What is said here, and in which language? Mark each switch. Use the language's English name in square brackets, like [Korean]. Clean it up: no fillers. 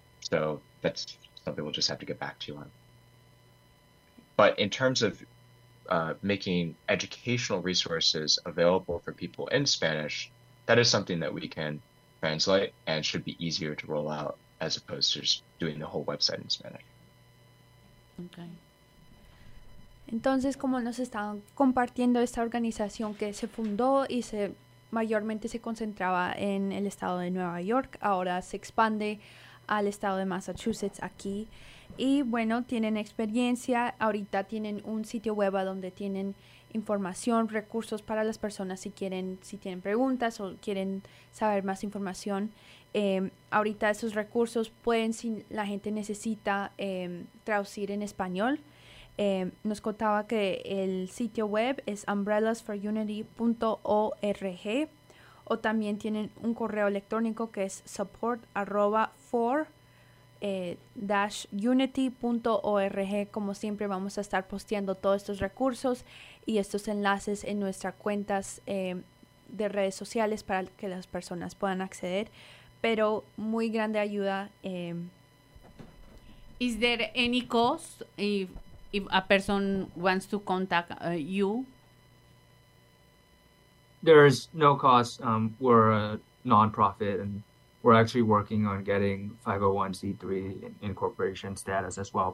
[English] So that's something we'll just have to get back to you on. But in terms of making educational resources available for people in Spanish, that is something that we can translate and should be easier to roll out, as opposed to just doing the whole website in Spanish. Okay. [Spanish] Entonces, como nos están compartiendo esta organización que se fundó y se mayormente se concentraba en el estado de Nueva York, ahora se expande al estado de Massachusetts aquí. Y bueno, tienen experiencia. Ahorita tienen un sitio web donde tienen información, recursos para las personas si quieren, si tienen preguntas o quieren saber más información. Ahorita esos recursos pueden, si la gente necesita, traducir en español. Nos contaba que el sitio web es umbrellasforunity.org, o también tienen un correo electrónico que es support@for-unity.org. Como siempre, vamos a estar posteando todos estos recursos y estos enlaces en nuestras cuentas de redes sociales para que las personas puedan acceder. Pero muy grande ayuda. [English] Is there any cost if a person wants to contact you? There's no cost. We're a non-profit, and we're actually working on getting 501c3 incorporation status as well.